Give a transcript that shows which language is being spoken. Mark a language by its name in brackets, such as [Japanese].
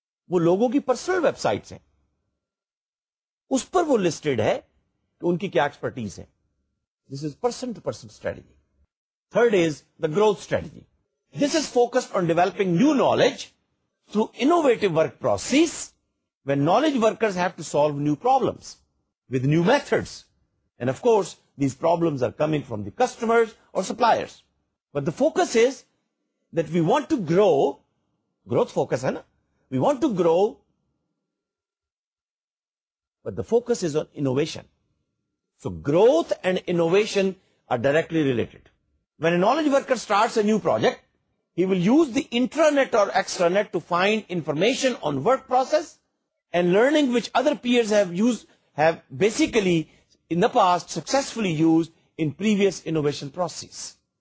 [Urdu] وہ لوگوں کی پرسنل ویب سائٹس ہیں, اس پر وہ لسٹڈ ہے کہ ان کی کیا ایکسپرٹیز ہیں. [English] This is person to person strategy. Third is the growth strategy. This is focused on developing new knowledge through innovative work process when knowledge workers have to solve new problems with new methods and of course these problems are coming from the customers اور suppliers. But the focus is that we want to grow. [Urdu] Growth focus ہے نا. [English] We want to grow, but the focus is on innovation. So growth and innovation are directly related. When a knowledge worker starts a new project, he will use the intranet or extranet to find information on work process and learning which other peers have basically in the past successfully used in previous innovation process.